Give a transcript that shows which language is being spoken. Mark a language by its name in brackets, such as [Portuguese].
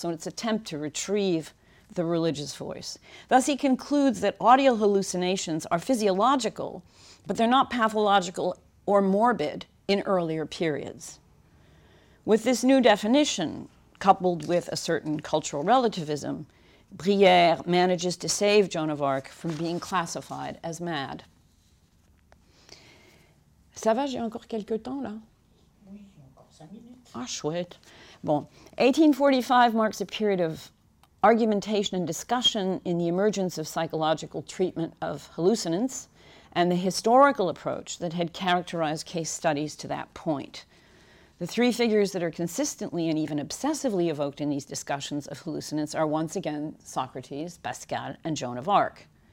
[English] So in its attempt to retrieve the religious voice. Thus, he concludes that audio hallucinations are physiological, but they're not pathological or morbid in earlier periods. With this new definition, coupled with a certain cultural relativism, Brière manages to save Joan of Arc from being classified as mad. [French] Ça va, j'ai encore quelques temps, là? Oui, j'ai encore 5 minutes. Ah, chouette. [English] Bon, 1845 marks a period of argumentation and discussion in the emergence of psychological treatment of hallucinants and the historical approach that had characterized case studies to that point. The three figures that are consistently and even obsessively evoked in these discussions of hallucinants are once again Socrates, Pascal, and Joan of Arc.